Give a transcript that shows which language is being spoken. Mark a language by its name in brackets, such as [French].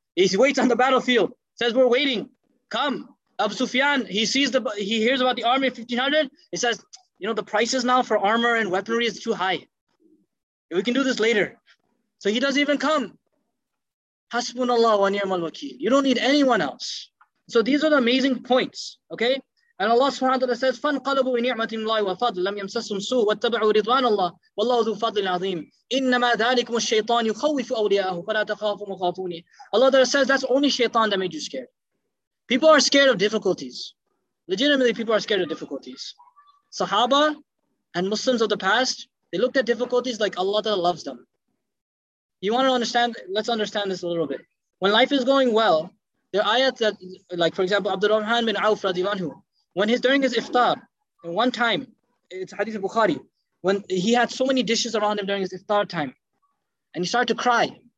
[English] He waits on the battlefield, says, we're waiting. Come. Abu Sufyan, he hears about the army of 1,500. He says, you know, the prices now for armor and weaponry is too high. We can do this later. So he doesn't even come. Hasbunallah wa ni'mal wakeel. You don't need anyone else. So these are the amazing points, okay? And Allah subhanahu wa ta'ala says, [Arabic] فَانْقَلَبُوا بِنِعْمَةِ اللَّهِ وَفَضْلٍ لَمْ يَمْسَسْهُمْ سُوءٌ وَاتَّبَعُوا رِضْوَانَ اللَّهِ وَاللَّهُ ذُو فَضْلٍ عَظِيمٍ إِنَّمَا ذَلِكُمُ الشَّيْطَانُ يُخَوِّفُ أَوْلِيَاءَهُ فَلَا تَخَافُوا مُخَافُونِ. [English] Allah ta'ala says, that's only shaitan that made you scared. People are scared of difficulties. Legitimately, people are scared of difficulties. Sahaba and Muslims of the past, they looked at difficulties like Allah ta'ala loves them. You want to understand? Let's understand this a little bit. When life is going well, there are ayat that, like for example, Abdurrahman bin Auf radiallahu anhu, when he's during his iftar, one time, it's Hadith of Bukhari, when he had so many dishes around him during his iftar time, and he started to cry.